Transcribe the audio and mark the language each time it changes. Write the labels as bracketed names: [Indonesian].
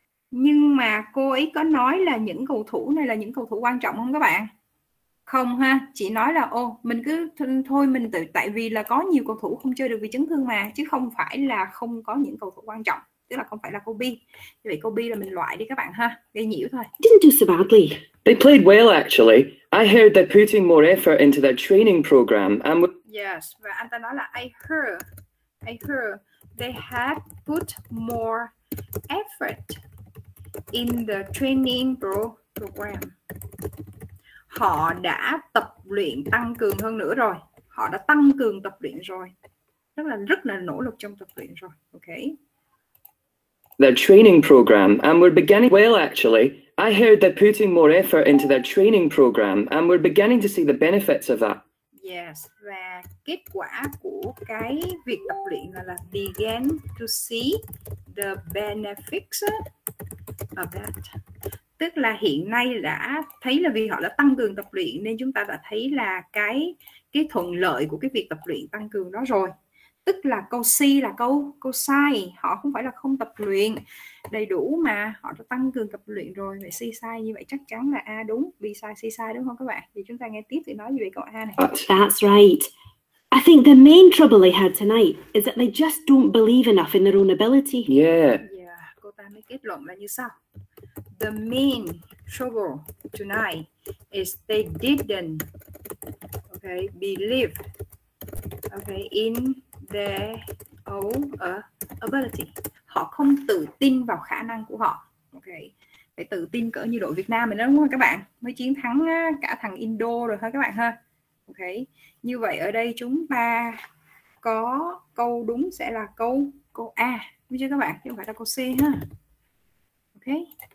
[Vietnamese] Nhưng mà cô ấy có nói là những cầu thủ này là những cầu thủ quan trọng không các bạn? Không ha, chỉ nói là ô, mình cứ thôi mình tự tại vì là có nhiều cầu thủ không chơi được vì chấn thương mà, chứ không phải là không có những cầu thủ quan trọng, tức là không phải là cô B. Như vậy cô B là mình loại đi các bạn ha, gây nhiễu thôi. [English] Didn't do so badly. They played well actually. I heard they're putting more effort into their training program and yes, [Vietnamese] và anh ta nói là [English] I heard they have put more effort in the training program. [Vietnamese] Họ đã tập luyện tăng cường hơn nữa rồi. Họ đã tăng cường tập luyện rồi. Rất là nỗ lực trong tập luyện rồi. [English] Okay. Their training program and we're beginning well actually. I heard they're putting more effort into their training program and we're beginning to see the benefits of that. [Vietnamese] Yes, và kết quả của cái việc tập luyện là [English] begin to see the benefits of that. [Vietnamese] Tức là hiện nay đã thấy là vì họ đã tăng cường tập luyện nên chúng ta đã thấy là cái thuận lợi của cái việc tập luyện tăng cường đó rồi. Tức là câu C là câu sai, họ không phải là không tập luyện đầy đủ mà họ đã tăng cường tập luyện rồi, vậy C sai, như vậy chắc chắn là A đúng, B sai, C sai đúng không các bạn? Thì chúng ta nghe tiếp thì nói gì về câu A này. [English] That's right. I think the main trouble they had tonight is that they just don't believe enough in their own ability. Yeah, [Vietnamese] cô ta mới kết luận là như sau. [English] The main trouble tonight is they didn't believe in their own ability. [Vietnamese] Họ không tự tin vào khả năng của họ. Okay. Phải tự tin cỡ như đội Việt Nam mình đó, đúng không các bạn? Mới chiến thắng cả thằng Indo rồi thôi các bạn ha. Okay. Như vậy ở đây chúng ta có câu đúng sẽ là câu A, đúng chưa các bạn? Chứ không phải là câu C ha. Okay.